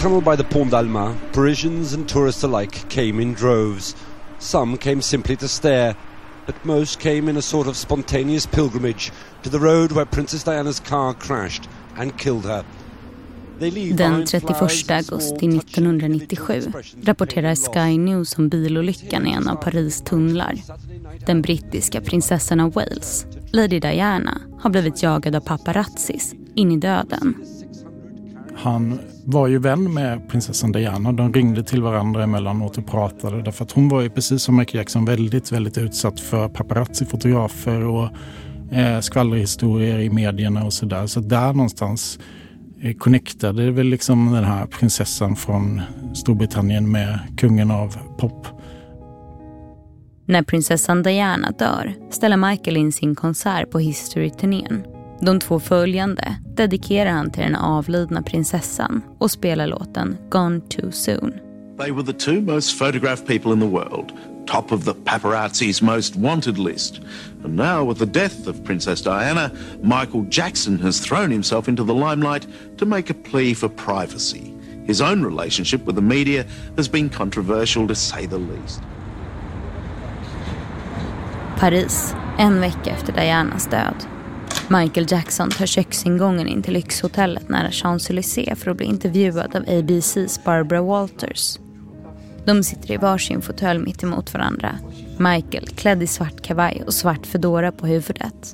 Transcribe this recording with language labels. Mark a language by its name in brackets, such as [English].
[English] By the Pont d'Alma, Parisians and tourists alike came in droves. Some came simply to stare, but most came in a sort of spontaneous pilgrimage to the road where Princess Diana's car crashed and killed her. They leave. [Swedish] Den 31 augusti 1997 rapporterar Sky News om bilolyckan i en av Paris tunnlar. Den brittiska prinsessan av Wales, Lady Diana, har blivit jagad av paparazzis in i döden. Han var ju vän med prinsessan Diana. De ringde till varandra emellanåt och pratade. Därför att hon var ju precis som Michael Jackson väldigt, väldigt utsatt för paparazzi-fotografer och skvallerhistorier i medierna och sådär. Så där någonstans connectade väl liksom den här prinsessan från Storbritannien med kungen av pop. När prinsessan Diana dör ställer Michael in sin konsert på History-turnén. De två följande dedikerar han till den avlidna prinsessan och spelar låten Gone Too Soon. [English] They were the two most photographed people in the world, top of the paparazzi's most wanted list. And now with the death of Princess Diana, Michael Jackson has thrown himself into the limelight to make a plea for privacy. His own relationship with the media has been controversial to say the least. [Swedish] Paris, en vecka efter Dianas död. Michael Jackson tar köksingången in till lyxhotellet nära Champs-Élysées för att bli intervjuad av ABC's Barbara Walters. De sitter i varsin fåtölj mitt emot varandra. Michael klädd i svart kavaj och svart fedora på huvudet.